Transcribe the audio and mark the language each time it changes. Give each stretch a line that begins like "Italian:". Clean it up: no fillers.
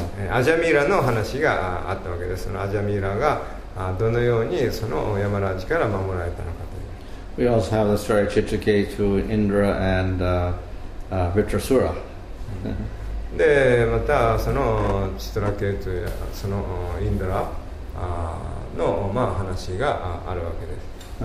Japanese: アジャミラの話があったわけです。そのアジャミラがどのようにそのヤマラジから守られたのかという。
English: We also have the story of Chitrakesu, Indra and Vritrasura.
Japanese: で、またそのチトラケートやそのインドラの、まあ、話があるわけです。